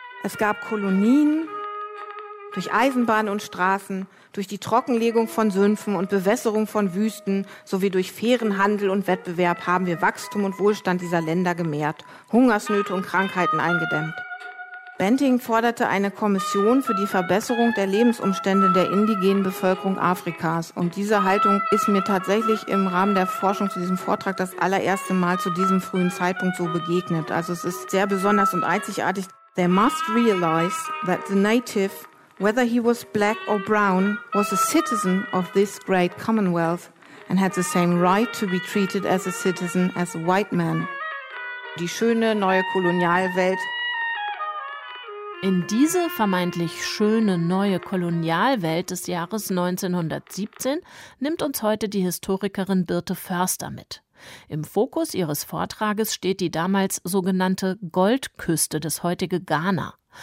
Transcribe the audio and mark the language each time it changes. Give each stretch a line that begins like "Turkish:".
German: Es gab Kolonien durch Eisenbahn und Straßen, durch die Trockenlegung von Sümpfen und Bewässerung von Wüsten sowie durch fairen Handel und Wettbewerb haben wir Wachstum und Wohlstand dieser Länder gemehrt, Hungersnöte und Krankheiten eingedämmt. Banting forderte eine Kommission für die Verbesserung der Lebensumstände der indigenen Bevölkerung Afrikas. Und diese Haltung ist mir tatsächlich im Rahmen der Forschung zu diesem Vortrag das allererste Mal zu diesem frühen Zeitpunkt so begegnet. Also es ist sehr besonders und einzigartig.
English: They must realize that the native, whether he was black or brown, was a citizen of this great commonwealth and had the same right to be treated as a citizen as a white man.
German: Die schöne neue Kolonialwelt. In diese vermeintlich schöne neue Kolonialwelt des Jahres 1917 nimmt uns heute die Historikerin Birte Förster mit. Im Fokus ihres Vortrages steht die damals sogenannte Goldküste des heutigen Ghana.